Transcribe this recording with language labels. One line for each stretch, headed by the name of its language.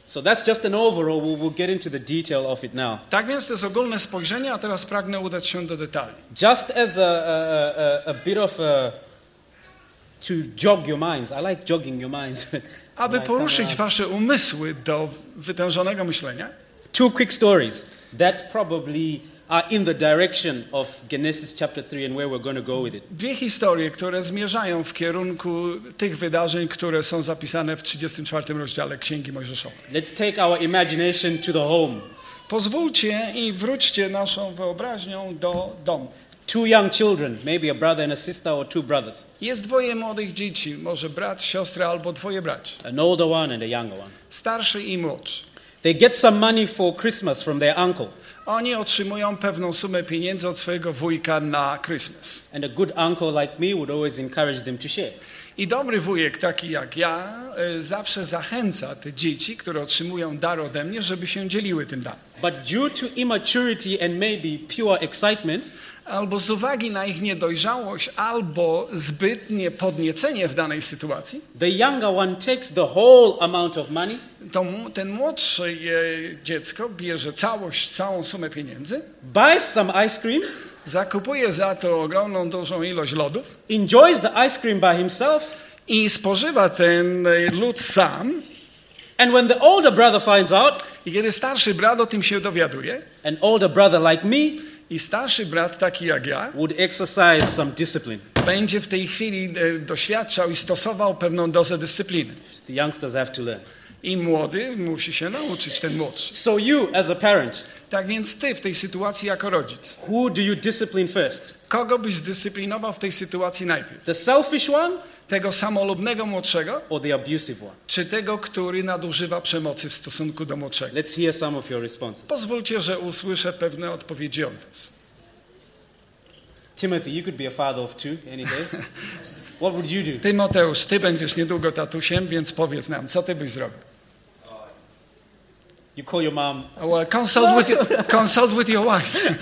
English: So that's just an overall. We'll get into the detail of it now.
Polish: Tak więc to jest ogólne spojrzenie, a teraz pragnę udać się do detali.
English: Just as to jog your minds. I like jogging your minds.
Polish: Aby poruszyć wasze umysły do wytężonego myślenia.
English: Two quick stories that probably are in the direction of Genesis chapter 3 and where we're going to go with it.
Polish: Dwie historie, które zmierzają w kierunku tych wydarzeń, które są zapisane w 34 rozdziale Księgi Mojżeszowej.
English: Let's take our imagination to the home.
Polish: Pozwólcie i wróćcie naszą wyobraźnią do domu.
English: Two young children, maybe a brother and a sister or two brothers.
Polish: Jest dwoje młodych dzieci, może brat, siostra albo dwoje braci.
English: An older one and a younger one.
Polish: Starszy i młodszy.
English: They get some money for Christmas from their uncle.
Polish: Oni otrzymują pewną sumę pieniędzy od swojego wujka na Christmas.
English: And a good uncle like me would always encourage them to share.
Polish: I dobry wujek taki jak ja zawsze zachęca te dzieci, które otrzymują dar ode mnie, żeby się dzieliły tym darem.
English: But due to immaturity and maybe pure excitement,
Polish: albo z uwagi na ich niedojrzałość, albo zbytnie podniecenie w danej sytuacji,
English: the younger one takes the whole amount of money,
Polish: to ten młodszy dziecko bierze całość, całą sumę pieniędzy,
English: buys some ice cream,
Polish: zakupuje za to ogromną, dużą ilość lodów,
English: enjoys the ice cream by himself,
Polish: i spożywa ten lód sam.
English: And when the older brother finds out,
Polish: i kiedy starszy brat o tym się dowiaduje,
English: an older brother like me,
Polish: i starszy brat taki jak ja,
English: would exercise some discipline,
Polish: będzie w tej chwili doświadczał i stosował pewną dozę dyscypliny.
English: The youngsters have to learn.
Polish: I młody musi się nauczyć, ten młodszy.
English: So you, as a parent,
Polish: tak więc ty w tej sytuacji jako rodzic,
English: who do you discipline first?
Polish: Kogo byś zdyscyplinował w tej sytuacji najpierw?
English: The selfish one?
Polish: Tego samolubnego młodszego?
English: Or the abusive one?
Polish: Czy tego, który nadużywa przemocy w stosunku do młodszego?
English: Let's hear some of your responses.
Polish: Pozwólcie, że usłyszę pewne odpowiedzi od was.
English: Timothy, you could be a father of two any day. What would you do?
Polish: Tymoteusz, ty będziesz niedługo tatusiem, więc powiedz nam, co ty byś zrobił?
English: You call your mom. Well, consult with your, consult with your wife.